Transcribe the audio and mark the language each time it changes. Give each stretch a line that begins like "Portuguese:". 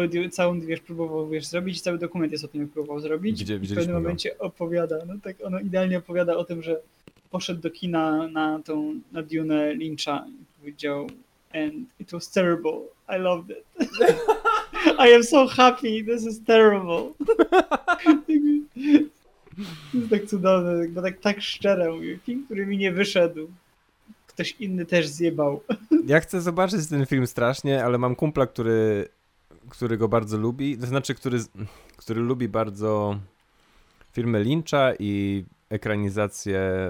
Polish: Całą próbował wiesz, zrobić, cały dokument jest o tym, jak próbował zrobić. W pewnym momencie opowiada, no tak ono idealnie opowiada o tym, że poszedł do kina na tą na Dune Lyncha i powiedział
English: and it was terrible, I loved it. I am so happy, this is terrible.
Polish: To tak cudowne, bo tak szczere mówię, film, który mi nie wyszedł. Ktoś inny też zjebał. Ja chcę zobaczyć ten film strasznie, ale mam kumpla, który go bardzo lubi, to znaczy, który lubi bardzo filmy Lyncha i ekranizację.